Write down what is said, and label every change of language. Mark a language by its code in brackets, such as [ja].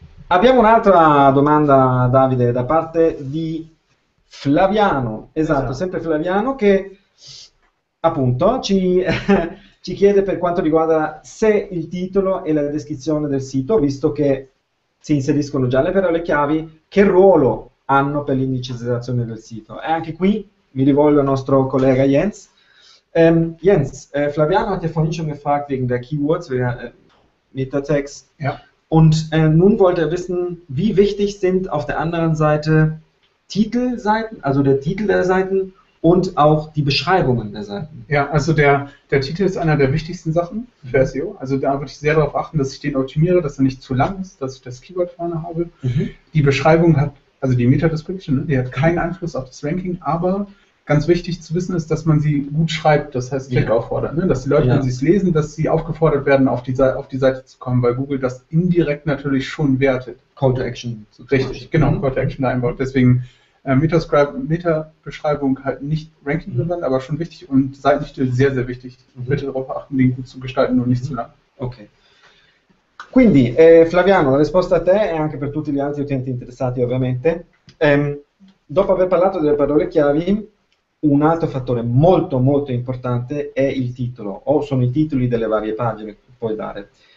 [it] Abbiamo un'altra domanda, Davide, da parte di Flaviano, esatto, sempre Flaviano, che appunto ci chiede per quanto riguarda se il titolo e la descrizione del sito, visto che si inseriscono già le parole chiavi, che ruolo hanno per l'indicizzazione del sito? E anche qui mi rivolgo al nostro collega Jens. [de] Jens, Flaviano hat ja vorhin schon gefragt wegen der Keywords, Metatext. Ja. Und nun wollte er wissen, wie wichtig sind auf der anderen Seite Titelseiten, also der Titel der Seiten und auch die Beschreibungen der Seiten. Ja, also der Titel ist einer der wichtigsten Sachen für SEO. Also da würde ich sehr darauf achten, dass ich den optimiere, dass er nicht zu lang ist, dass ich das Keyword vorne habe. Die Beschreibung hat, also die Meta-Description, die hat keinen Einfluss auf das Ranking, aber ganz wichtig zu wissen ist, dass man sie gut schreibt, das heißt Klick auffordert, ne? Dass die Leute, wenn sie es lesen, dass sie aufgefordert werden, auf die Seite zu kommen, weil Google das indirekt natürlich schon wertet. Call to Action. Richtig, genau, Call to Action da einbaut. Deswegen Meta-Beschreibung halt nicht Ranking relevant, aber schon wichtig und Seitendichte sehr, sehr wichtig. Bitte darauf achten, den gut zu gestalten, nur nicht zu lang. Okay. [it] Quindi, Flaviano, la risposta a te e anche per tutti gli altri utenti interessati, ovviamente. Dopo aver parlato delle parole chiavi, un altro fattore molto molto importante è il titolo, o sono i titoli delle varie pagine che puoi dare.